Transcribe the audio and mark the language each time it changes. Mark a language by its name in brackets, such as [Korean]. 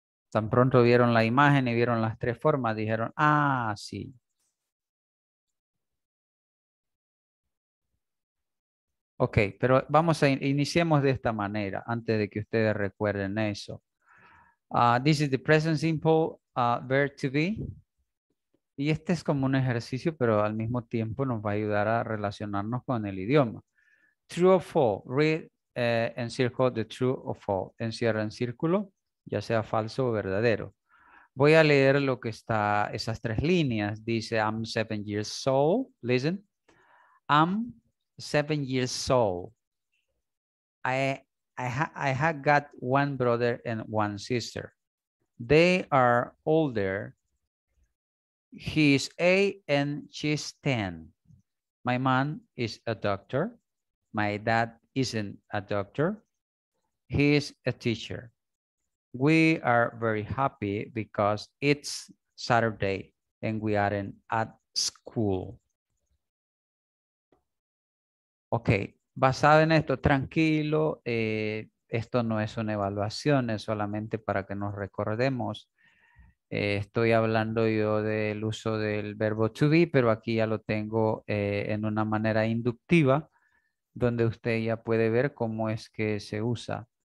[Spanish] Tan pronto vieron la imagen y vieron las tres formas, dijeron, ah, sí. Ok, pero vamos a iniciemos de esta manera, antes de que ustedes recuerden eso. [English] This is the present simple verb to be. [Spanish] Y este es como un ejercicio, pero al mismo tiempo nos va a ayudar a relacionarnos con el idioma. [English] True or false, read and circle the true or false. [Spanish] Encierra en círculo, ya sea falso o verdadero. Voy a leer lo que está, esas tres líneas. Dice, [English] I'm 7 years old. Listen. I'm 7 years old. I have got one brother and one sister. They are older. He is 8 and she's 10. My mom is a doctor. My dad isn't a doctor. He is a teacher. We are very happy because it's Saturday and we aren't at school. [Spanish] Okay, basado en esto, tranquilo, esto no es una evaluación, es solamente para que nos recordemos. Estoy hablando yo del uso del verbo to be, pero aquí ya lo tengo en una manera inductiva, donde usted ya puede ver cómo es que se usa.